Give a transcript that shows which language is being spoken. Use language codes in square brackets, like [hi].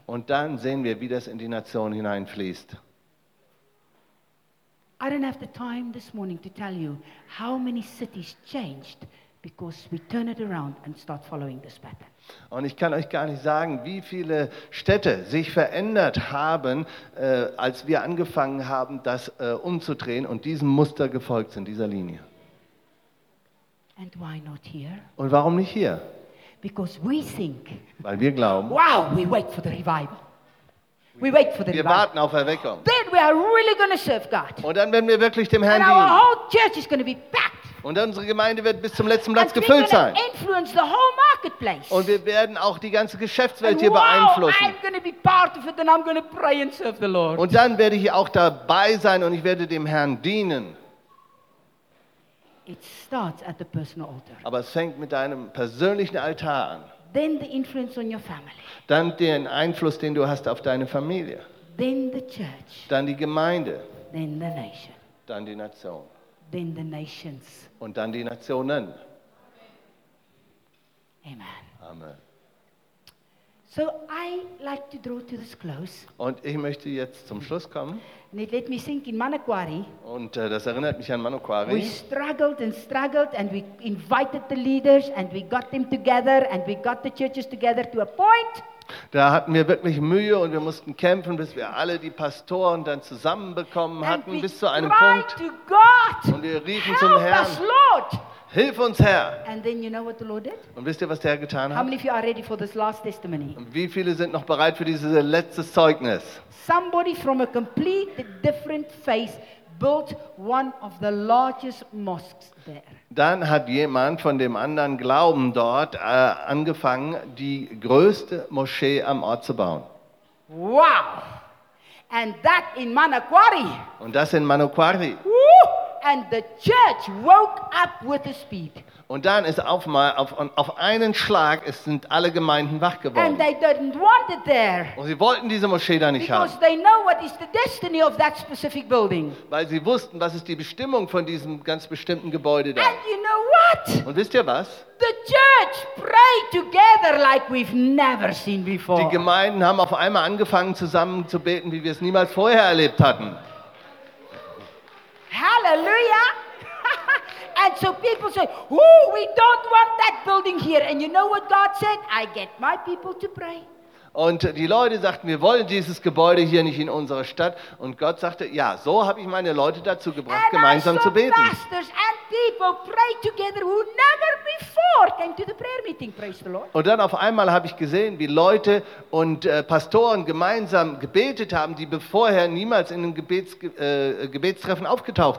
[de] Und dann sehen wir, wie das in die Nation hineinfließt. [en] I don't have the time this morning to tell you how many cities changed because we turn it around and start following this pattern. [de] Und ich kann euch gar nicht sagen, wie viele Städte sich verändert haben, als wir angefangen haben, das umzudrehen und diesem Muster gefolgt sind, dieser Linie. [en] And why not here? [de] Und warum nicht hier? [en] Because we think, [de] weil wir glauben, [en] wow, we wait for the revival. We wait for the [de] wir warten auf Erweckung. [en] Then we are really going to serve God. [de] Und dann werden wir wirklich dem Herrn [en] and [de] dienen. [en] Our whole church is going to be packed. [de] Und unsere Gemeinde wird bis zum letzten Platz gefüllt sein. [en] Influence the whole marketplace. [de] Und wir werden auch die ganze Geschäftswelt [en] and [de] hier beeinflussen. [en] I'm going to be part of it and I'm going to pray and serve the Lord. [de] Und dann werde ich auch dabei sein und ich werde dem Herrn dienen. [en] It starts at the personal altar. [de] Aber es fängt mit deinem persönlichen Altar an. [en] Then the influence on your family. [de] Dann den Einfluss, den du hast auf deine Familie. [en] Then the church. [de] Dann die Gemeinde. [en] Then the nation. [de] Dann die Nation. [en] Then the nations. [de] Und dann die Nationen. Amen. Amen. [en] So I like to draw to this close. [de] Und ich möchte jetzt zum Schluss kommen. [en] And it let me sink in Manokwari. [de] Und das erinnert mich an Manokwari. [en] We struggled and struggled and we invited the leaders and we got them together and we got the churches together to a point. [de] Da hatten wir wirklich Mühe und wir mussten kämpfen, bis wir alle die Pastoren dann zusammenbekommen hatten, [en] and [de] bis zu einem Punkt. [en] To God, [de] und wir riefen [en] help [de] zum Herrn. [en] Us, Lord. [de] Hilf uns, Herr. [en] And then you know what the Lord did? [de] Und wisst ihr, was der Herr getan hat? [en] How many of you are ready for this last testimony? [de] Und wie viele sind noch bereit für dieses letzte Zeugnis? [en] Somebody from a completely different faith built one of the largest mosques there. [de] Dann hat jemand von dem anderen Glauben dort angefangen, die größte Moschee am Ort zu bauen. [en] Wow! And that in Manokwari. [de] Und das in Manokwari. [en] And the church woke up with a speed. [de] Und dann ist auf einen Schlag es sind alle Gemeinden wach geworden. [en] And they didn't want it there. [de] Und sie wollten diese Moschee da nicht [en] because [de] haben. [en] They know what is the destiny of that specific building. [de] Weil sie wussten, was ist die Bestimmung von diesem ganz bestimmten Gebäude da. [en] And you know what? [de] Und wisst ihr was? [en] The church prayed together like we've never seen before. [de] Die Gemeinden haben auf einmal angefangen zusammen zu beten, wie wir es niemals vorher erlebt hatten. Hallelujah. [en] And so people say, "Oh, we don't want that building here." And you know what God said? I get my people to pray. [de] Und die Leute sagten, wir wollen dieses Gebäude hier nicht in unserer Stadt. Und Gott sagte, ja, so habe ich meine Leute dazu gebracht, [en] and [de] gemeinsam zu beten. [en] Pastors and people pray together who never before came to the prayer meeting, praise the Lord. [de] Und dann auf einmal habe ich gesehen, wie Leute und Pastoren gemeinsam gebetet haben, die vorher niemals in einem Gebetstreffen aufgetaucht